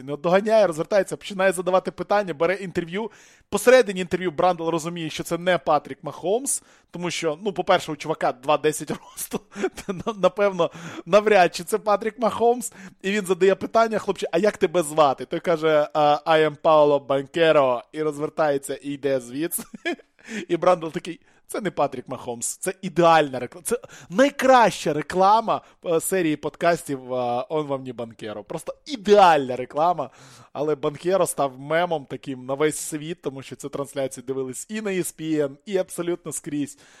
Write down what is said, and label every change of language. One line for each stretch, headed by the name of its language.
Ukrainian: Він його доганяє, розвертається, починає задавати питання, бере інтерв'ю. Посередині інтерв'ю Брандл розуміє, що це не Патрік Махомс, тому що, ну, по-перше, у чувака 2,10 росту. Напевно, навряд чи це Патрік Махомс. І він задає питання: «Хлопче, а як тебе звати?» Той каже:
English: «I am Paolo Banchero».
Ukrainian: І розвертається, і йде звідси. І Брандл такий: «Це не Патрік Махомс, це ідеальна реклама, це найкраща реклама серії подкастів «Он вам не Банкеро». Просто ідеальна реклама, але Банкеро став мемом таким на весь світ, тому що цю трансляцію дивились і на ESPN, і абсолютно скрізь.